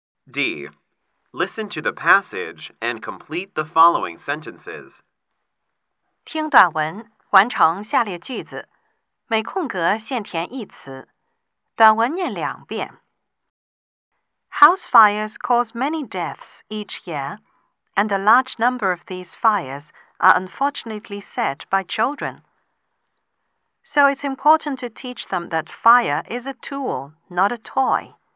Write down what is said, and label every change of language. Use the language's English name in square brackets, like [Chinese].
[English] D. Listen to the passage and complete the following sentences. [Chinese] 听短文，完成下列句子，每空格限填一词。短文念两遍。 [English] House fires cause many deaths each year, and a large number of these fires are unfortunately set by children. So it's important to teach them that fire is a tool, not a toy.